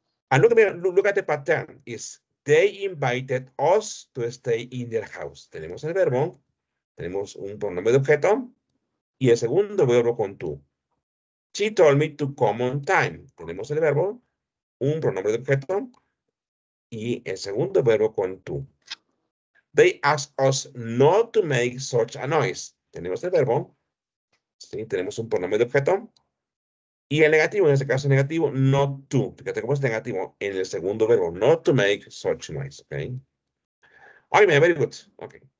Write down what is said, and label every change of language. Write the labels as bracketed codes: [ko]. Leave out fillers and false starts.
[en] And look at the pattern, is they invited us to stay in their house. [es] Tenemos el verbo, tenemos un pronombre de objeto, y el segundo verbo con tú. [en] She told me to come on time. [es] Tenemos el verbo, un pronombre de objeto, y el segundo verbo con tú. [en] They asked us not to make such a noise. [es] Tenemos el verbo, sí, tenemos un pronombre de objeto, y el negativo, en este caso el negativo, not to. Fíjate cómo es negativo en el segundo verbo, [en] not to make such noise. Ok, okay, very good. Ok.